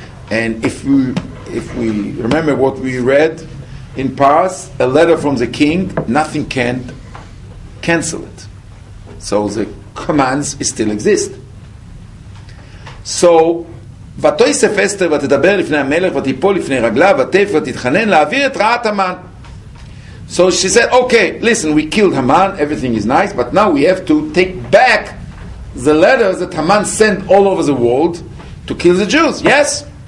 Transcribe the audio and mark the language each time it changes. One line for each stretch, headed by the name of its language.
English: And if we remember what we read in Paris, a letter from the king, nothing can cancel it. So the commands still exist. So
Hebrew: ותוסף אסתר ותדבר לפני המלך ותיפול לפני רגליו ותף ותתחנן להעביר את רעת המן.
English: So she said, okay, listen, we killed Haman, everything is nice, but now we have to take back the letters that Haman sent all over the world to kill the Jews, yes?